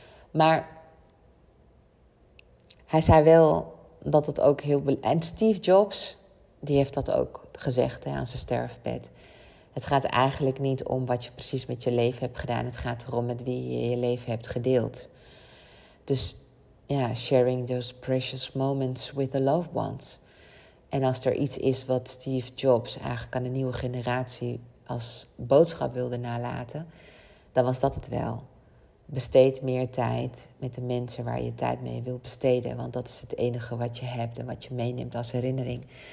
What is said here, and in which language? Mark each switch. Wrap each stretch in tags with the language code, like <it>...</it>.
<nl>Maar hij zei wel dat het ook heel... En Steve Jobs, die heeft dat ook gezegd, hè, aan zijn sterfbed. Het gaat eigenlijk niet om wat je precies met je leven hebt gedaan. Het gaat erom met wie je je leven hebt gedeeld. Dus ja,</nl> <en>sharing those precious moments with the loved ones.</en> <nl>En als er iets is wat Steve Jobs eigenlijk aan de nieuwe generatie als boodschap wilde nalaten, dan was dat het wel. Besteed meer tijd met de mensen waar je tijd mee wilt besteden. Want dat is het enige wat je hebt en wat je meeneemt als herinnering.</nl>